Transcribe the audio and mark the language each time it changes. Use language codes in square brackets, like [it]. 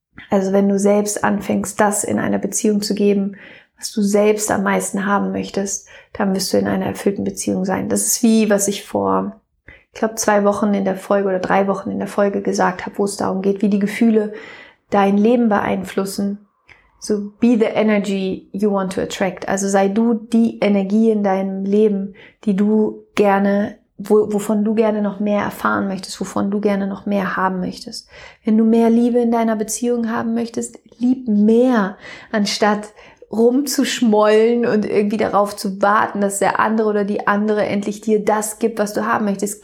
[de] Also wenn du selbst anfängst, das in einer Beziehung zu geben, was du selbst am meisten haben möchtest, dann wirst du in einer erfüllten Beziehung sein. Das ist wie, was ich vor, ich glaube, 2 Wochen in der Folge oder 3 Wochen in der Folge gesagt habe, wo es darum geht, wie die Gefühle dein Leben beeinflussen. [en] So be the energy you want to attract. [de] Also sei du die Energie in deinem Leben, die du gerne, wovon du gerne noch mehr erfahren möchtest, wovon du gerne noch mehr haben möchtest. Wenn du mehr Liebe in deiner Beziehung haben möchtest, lieb mehr, anstatt rumzuschmollen und irgendwie darauf zu warten, dass der andere oder die andere endlich dir das gibt, was du haben möchtest.